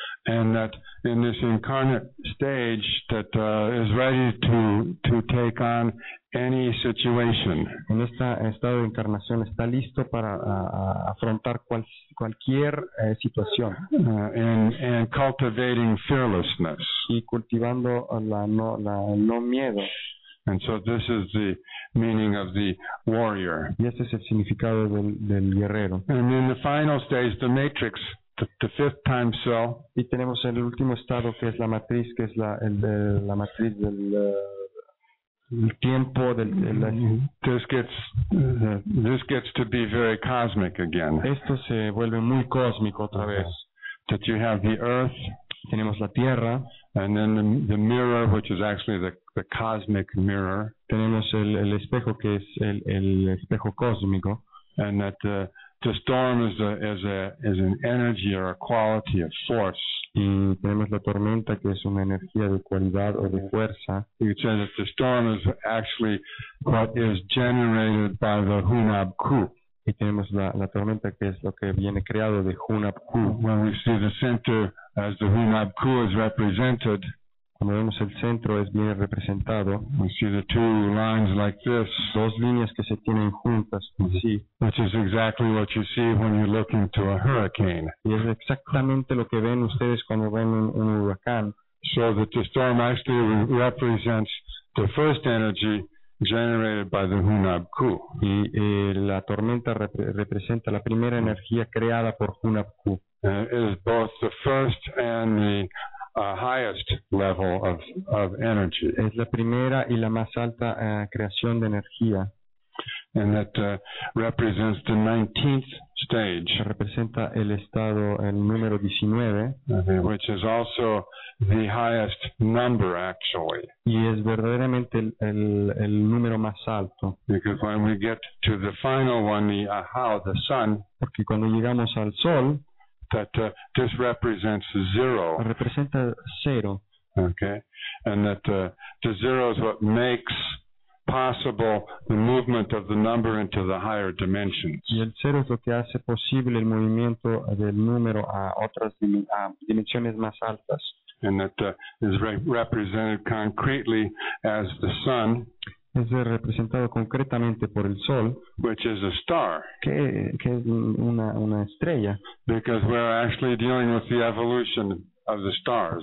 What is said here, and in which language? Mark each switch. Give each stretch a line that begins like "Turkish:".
English: And that in this incarnate stage that is ready to take on any situation.
Spanish: En este estado de encarnación está listo para afrontar cualquier situación.
English: And cultivating fearlessness.
Spanish: Y cultivando no miedo.
English: And so this is the meaning of the warrior.
Spanish: Y este es el significado del guerrero.
English: And in the final stage, the matrix. The fifth time cell.
Spanish: Y tenemos el último estado que es la matriz, que es la matriz del el tiempo del
English: this gets to be very cosmic again.
Spanish: Esto se vuelve muy cósmico otra vez.
English: That you have the earth.
Spanish: Tenemos la tierra.
English: And then the mirror, which is actually the cosmic mirror.
Spanish: Tenemos el espejo que es el espejo cósmico.
English: And that the storm is an energy or a quality of force.
Spanish: Y tenemos la tormenta que es una energía de cualidad o de fuerza.
English: You could say that the storm is actually what is generated by the Hunab Ku.
Spanish: Y tenemos la tormenta que es lo que viene creado de Hunab Ku.
English: When we see the center as the Hunab Ku is represented,
Spanish: cuando vemos el centro es bien representado,
English: we see the two lines like this,
Spanish: dos líneas que se tienen juntas, sí,
English: which is exactly what you see when you look into a hurricane.
Spanish: Y es exactamente lo que ven ustedes cuando ven un huracán.
English: So that the storm actually represents the first energy generated by the Hunab Ku.
Spanish: Y la tormenta representa la primera energía creada por Hunab Ku.
English: Is both the first and the highest level of energy.
Spanish: Es la primera y la más alta creación de energía.
English: And that represents the 19th stage.
Spanish: Representa el estado el número 19,
English: okay, which is also the highest number actually.
Spanish: Y es verdaderamente el número más alto.
English: Because when we get to the final one, the Ahau, the sun.
Spanish: Porque cuando llegamos al sol.
English: That this represents zero.
Spanish: Representa cero.
English: Okay, and that the zero is what makes possible the movement of the number into the higher dimensions.
Spanish: Y el cero es lo que hace posible el movimiento del número a otras dimensiones más altas.
English: And that is represented concretely as the sun.
Spanish: Es representado concretamente por el sol,
English: which is a star,
Spanish: que es una estrella,
English: because we're actually dealing with the evolution of the stars.